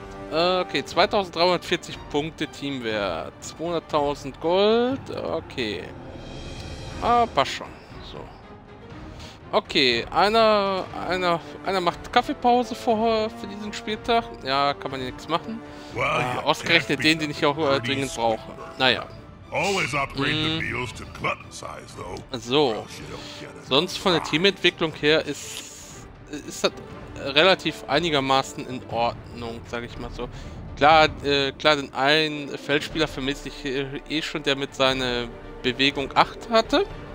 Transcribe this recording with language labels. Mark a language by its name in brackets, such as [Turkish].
[German] Okay, 2340 Punkte Teamwert. 200.000 Gold, okay. Ah, passt schon. So. Okay, einer macht Kaffeepause vorher für diesen Spieltag. Ja, kann man hier nichts machen. Ausgerechnet den, den ich auch dringend brauche. Naja. [English] Always upgrade the meals to glutton size, though. [German] So. Sonst von der Teamentwicklung her ist das relativ einigermaßen in Ordnung, sage ich mal so. Klar, den einen Feldspieler vermisse ich eh schon, der mit seiner Bewegung 8 hatte.